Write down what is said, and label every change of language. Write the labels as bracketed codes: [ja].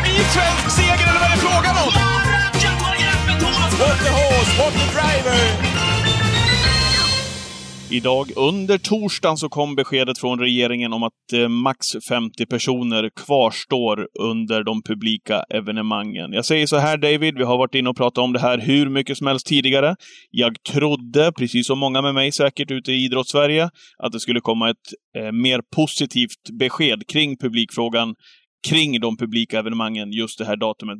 [sv] eventuell seger eller vad är frågan om? [en] What the horse, what the driver? [sv] Idag under torsdagen så kom beskedet från regeringen om att max 50 personer kvarstår under de publika evenemangen. Jag säger så här, David, vi har varit inne och pratat om det här hur mycket som helst tidigare. Jag trodde, precis som många med mig säkert ute i Idrottssverige, att det skulle komma ett mer positivt besked kring publikfrågan, kring de publika evenemangen just det här datumet.